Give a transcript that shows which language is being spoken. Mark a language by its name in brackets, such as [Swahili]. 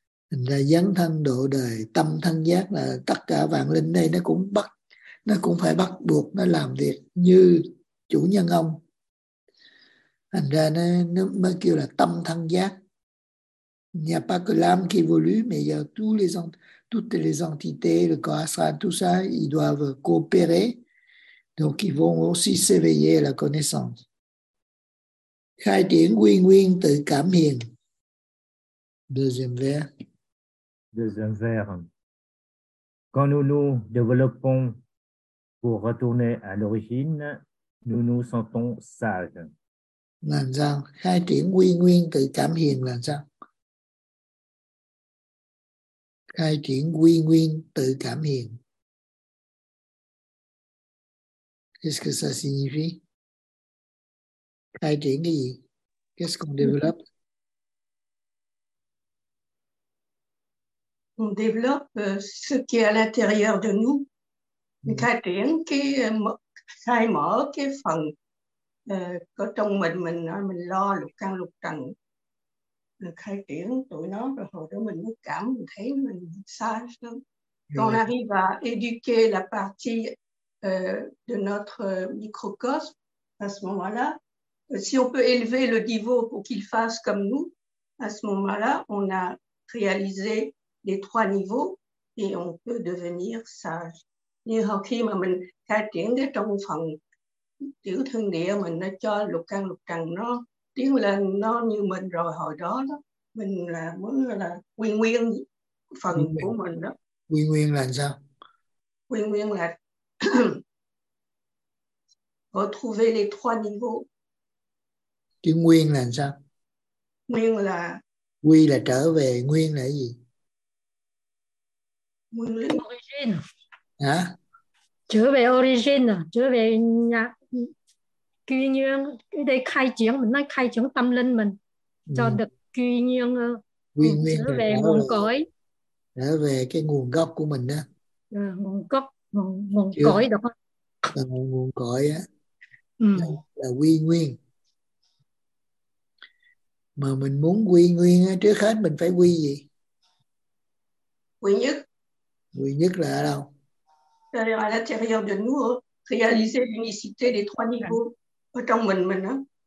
[Vietnamese] Thành ra dấn thân độ đời, tâm thân giác là tất cả vạn linh đây nó cũng phải bắt buộc nó làm việc như chủ nhân ông. Thành ra nó mới kêu là tâm thân giác. [French] Il n'y a pas que l'âme qui évolue, mais il y a toutes les entités, le corps astral, tout ça, ils doivent coopérer. Donc ils vont aussi s'éveiller à la connaissance. [Vietnamese] Khai triển nguyên nguyên tự cảm hiền. [French] Deuxième vers. Quand nous nous développons pour retourner à l'origine, nous nous sentons sages. [Vietnamese] Làm sao? Khai triển nguyên nguyên tự cảm hiền là sao? Khai triển nguyên nguyên tự cảm hiền. [French] Qu'est-ce que ça signifie? [Vietnamese] Khai triển cái gì? [French] Qu'est-ce qu'on développe? On développe ce qui est à l'intérieur de nous. [Vietnamese] Khai triển cái khai mở cái phần có trong mình nói mình lo lục căn lục trần, khai triển tụi nó, rồi hồi đó mình mới cảm thấy mình sai lắm. [French] On arrive à éduquer la partie de notre microcosme à ce moment-là. Si on peut élever le niveau pour qu'il fasse comme nous, à ce moment-là, on a réalisé les trois niveaux et on peut devenir sage. [Vietnamese] Nhưng học khi mà mình khai triển cái trong phần tiểu thân địa mình, nó cho lục căn lục trần nó tiến lên, nó như mình rồi hồi đó đó, mình là muốn là quy nguyên phần nguyên của mình đó. Quy nguyên là sao? Quy nguyên là [French] retrouver les trois niveaux. [Vietnamese] Chứ nguyên là sao? Nguyên là quy là trở về, nguyên là gì? Nguyên là origin. Hả? Trở về origin, trở về quy nhiên để khai triển mình, nó khai triển tâm linh mình cho được quy nhiên trở về nguồn cội, trở về cái nguồn gốc của mình đó, nguồn gốc, nguồn cội đó, là nguồn cội á, là quy nguyên. Mà mình muốn quy nguyên á, trước hết mình phải quy gì? Quy nhất. Quy nhất là ở đâu? [French] À, à l'intérieur de nous, réaliser l'unicité des trois niveaux [Vietnamese] ở trong mình á.